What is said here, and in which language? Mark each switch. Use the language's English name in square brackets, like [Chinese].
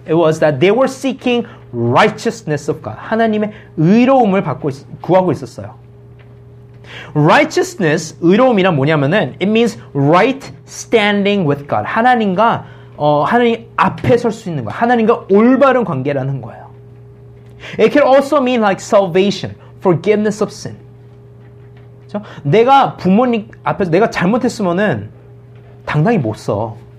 [English] It was that they were seeking righteousness of God. [Korean] 하나님의 의로움을 구하고 있었어요. [English] Righteousness, [Korean] 의로움이란 뭐냐면은 [English] it means right standing with God. [Korean] 하나님과 하나님 앞에 설 수 있는 거. 하나님과 올바른 관계라는 거예요. [English] It can also mean like salvation, forgiveness of sin. [Korean] 그렇죠? 내가 부모님 앞에서 내가 잘못했으면은 당당히 못 써.